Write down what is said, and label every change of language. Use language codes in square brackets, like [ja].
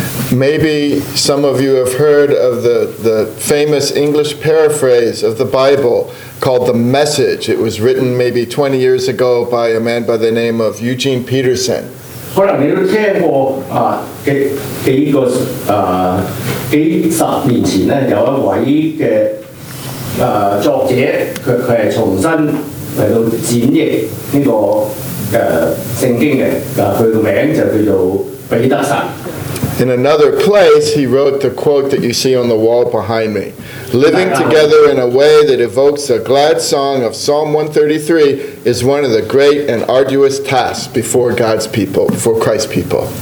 [en] Maybe some of you have heard of the famous English paraphrase of the Bible called The Message. It was written maybe 20 years ago by a man by the name of Eugene Peterson. [yue] 可能你都聽過幾十年前咧，有一位嘅作者，佢係重新嚟到剪譯呢個聖經嘅，佢個名就叫做彼得神。 [en] In another place, he wrote the quote that you see on the wall behind me. Living together in a way that evokes a glad song of Psalm 133 is one of the great and arduous tasks before God's people, for Christ's people.